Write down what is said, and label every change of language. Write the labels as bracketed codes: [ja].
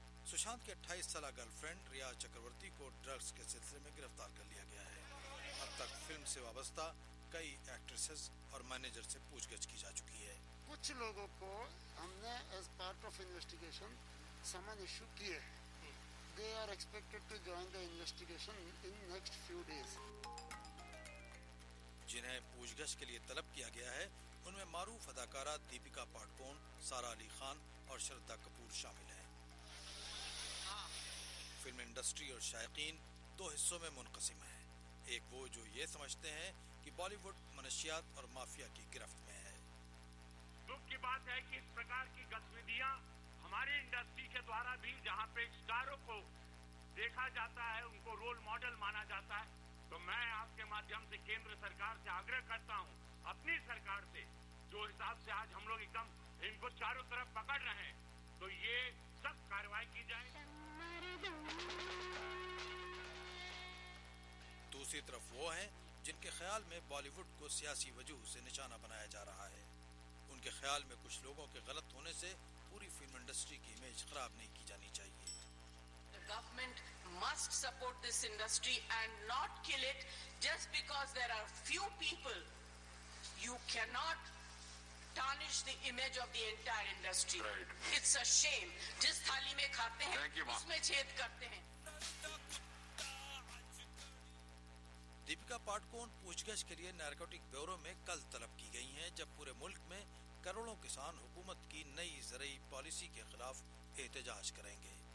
[ur] سشانت کے 28 سالہ girl friend ریا چکرورتی کو ڈرگز کے سلسلے میں گرفتار کر لیا گیا ہے. اب تک فلم سے وابستہ کئی ایکٹریسز اور مینیجر سے پوچھ گچھ کی جا چکی ہے. کچھ لوگوں کو ہم نے [en] as part of investigation [ur] سمن ایشو کیے. [en] They are expected to join the investigation in next few days. [ur] جنہیں پوچھ گچھ کے لیے طلب کیا گیا ہے ان میں معروف اداکارہ دیپیکا پاڈوکون، سارا علی خان اور شردا کپور شامل ہیں. فلم انڈسٹری اور شائقین دو حصوں میں منقسم ہیں. ایک وہ جو یہ سمجھتے ہیں کہ بالی ووڈ منشیات اور مافیا کی گرفت میں ہے. دکھ کی بات ہے کہ اس پرکار کی گتیویدھیاں ہماری انڈسٹری کے دوارا بھی جہاں پہ اسٹاروں کو دیکھا جاتا ہے ان کو رول ماڈل مانا جاتا ہے. تو میں آپ کے مادھیم سے کیندر سرکار سے آگرہ کرتا ہوں اپنی سرکار سے جو حساب سے آج ہم لوگ ایک دم ان کو چاروں طرف پکڑ رہے ہیں تو یہ سب کاروائی کی جائے. دوسری طرف وہ ہیں جن کے خیال میں بالی ووڈ کو سیاسی وجوہ سے نشانہ بنایا جا رہا ہے. ان کے خیال میں کچھ لوگوں کے غلط ہونے سے پوری فلم انڈسٹری کی امیج خراب نہیں کی جانی چاہیے. [en] The government must support this industry and not kill it just because there are few people. You cannot tarnish the image of the entire industry. Right. It's a shame. [ur] جس تھالی میں کھاتے ہیں اس میں چھید کرتے ہیں. دیپیکا پاڈوکون پوچھ گچھ کے لیے نارکوٹک بیورو میں کل طلب کی گئی ہیں جب پورے ملک میں کروڑوں کسان حکومت کی نئی زرعی پالیسی کے خلاف احتجاج کریں گے.